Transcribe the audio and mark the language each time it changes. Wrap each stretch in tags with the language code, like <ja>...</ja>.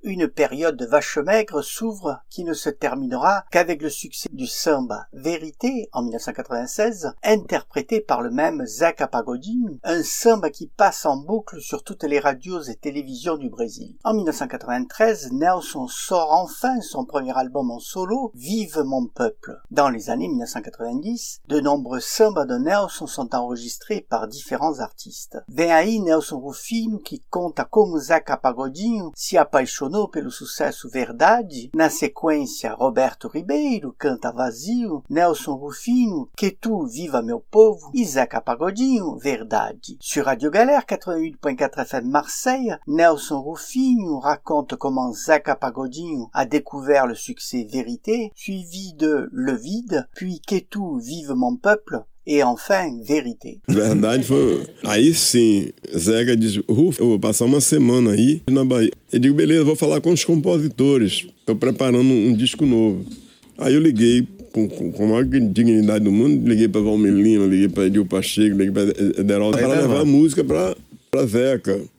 <fr>Une période de vache maigre s'ouvre qui ne se terminera qu'avec le succès du samba Vérité en 1996, interprété par le même Zeca Pagodinho, un samba qui passe en boucle sur toutes les radios et télévisions du Brésil. En 1993, Nelson sort enfin son premier album en solo, Vivement peuple. Dans les années 1990, de nombreux sambas de Nelson sont enregistrés par différents artistes.</fr> <pt>Vem aí Nelson Rufino, qui conta como Zeca Pagodinho se apaixonou pelo sucesso Verdade. Na sequência, Roberto Ribeiro canta Vazio, Nelson Rufino, Que tu viva meu povo, e Zeca Pagodinho, Verdade.</pt> <fr>Sur Radio Galère 88.4 FM Marseille, Nelson Rufino raconte comment Zeca Pagodinho a découvert le succès Vérité, suivi de Le Vide, puis Que tu vive mon peuple, et enfin Vérité.</fr> <pt>Verdade foi. Aí sim, Zeca diz: Ruf, eu vou passar uma semana aí na Bahia. Eu digo: beleza, vou falar com os compositores, tô preparando um disco novo. Aí eu liguei com a maior dignidade do mundo, liguei pra Valmir Lima, liguei pra Edil Pacheco, liguei pra Ederaldo, pra levar a música pra Zeca.</pt>